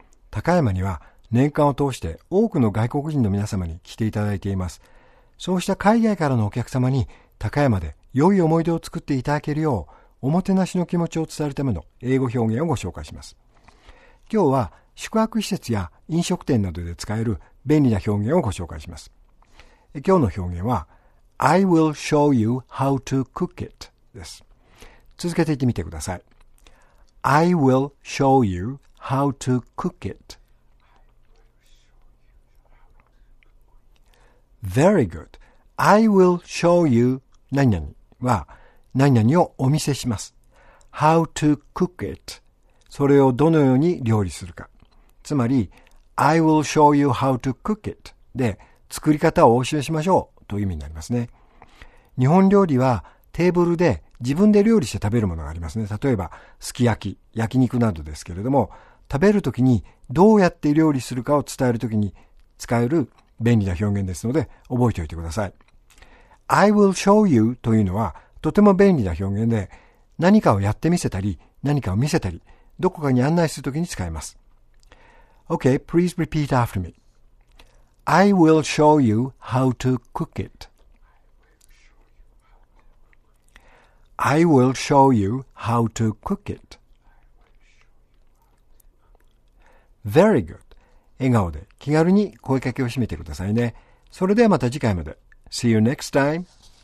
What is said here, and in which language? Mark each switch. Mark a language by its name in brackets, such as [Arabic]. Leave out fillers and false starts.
[Japanese] 高山には年間を通して多くの外国人の皆様に来ていただいています。そうした海外からのお客様に高山で良い思い出を作っていただけるよう、おもてなしの気持ちを伝えるための英語表現をご紹介します。今日は宿泊施設や飲食店などで使える便利な表現をご紹介します。今日の表現は、 [English] I will show you how to cook it [Japanese] です。続けて言ってみてください。 [English] I will show you how to cook it. Very good. I will show you [Japanese] 何々は何々をお見せします。 [English] How to cook it. [Japanese] それをどのように料理するか。つまり、 [English] I will show you how to cook it. [Japanese] で、作り方をお教えしましょうという意味になりますね。日本料理はテーブルで自分で料理して食べるものがありますね。例えば、すき焼き、焼肉などですけれども、食べるときにどうやって料理するかを伝えるときに使える便利な表現ですので、覚えておいてください。 [English] I will show you [Japanese] というのはとても便利な表現で、何かをやってみせたり、何かを見せたり、どこかに案内するときに使えます。 [English] Okay, please repeat after me. I will show you how to cook it. I will show you how to cook it. Very good. [Japanese] 笑顔で気軽に声かけを締めてくださいね。それではまた次回まで。 [English] See you next time.